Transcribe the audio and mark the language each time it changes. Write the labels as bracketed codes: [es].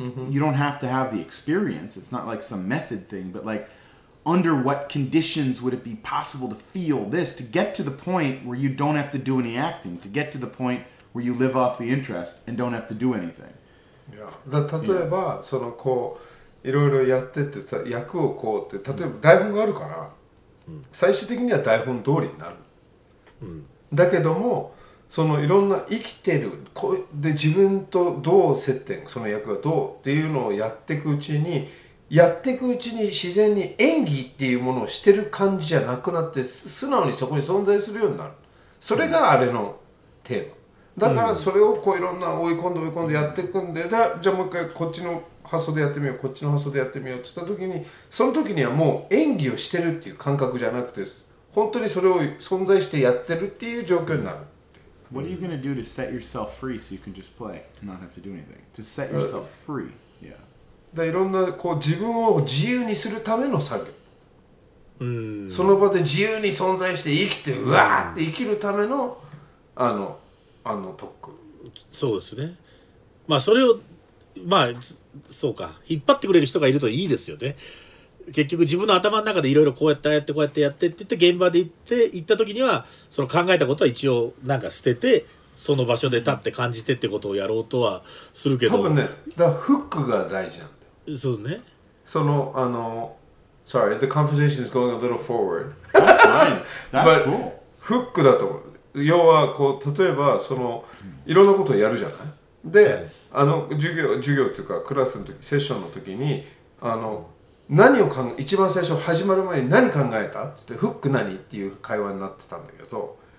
[en] You don't have to have the experience. It's not like some method thing, but like under what conditions would it be possible to feel this, to get to the point where you don't have to do any acting, to get to the point where you live off the interest and don't have to do anything. Yeah. [ja] 例えば、そのこう、いろいろやってて、役をこうって、例えば台本があるから、最終的には台本通りになる、だけどもそのいろんな生きてるこうで自分とどう接点その役がどうっていうのをやっていくうちに自然に演技っていうものをしてる感じじゃなくなって素直にそこに存在するようになる。それがあれのテーマだから、それをこういろんな追い込んでやっていくんで、じゃあもう一回こっちの発想でやってみよう、こっちの発想でやってみようって言った時に、その時にはもう演技をしてるっていう感覚じゃなくて、本当にそれを存在してやってるっていう状況になる。 [en] What are you going to do to set yourself free so you can just play and not have to do anything? To set yourself free. Yeah. [ja] いろんなこう自分を自由にするための作業。その場で自由に存在して生きて、うわーって生きるためのあの特訓。そうですね。まあそれを、まあそうか、引っ張ってくれる人がいるといいですよね。結局自分の頭の中でいろいろこうやってやってこうやってやってって言って現場で行った時にはその考えたことは一応なんか捨ててその場所で立って感じてってことをやろうとはするけど、多分ね、だフックが大事なんだよ。そうね、 [en] その Sorry, the conversation is going a little forward. That's fine. That's cool. [ja] フックだと思う。要はこう例えばそのいろんなことをやるじゃない。で、あの授業というかクラスの時、セッションの時に何を考え、一番最初始まる前に何考えたっつって、フック何っていう会話になってたんだけど、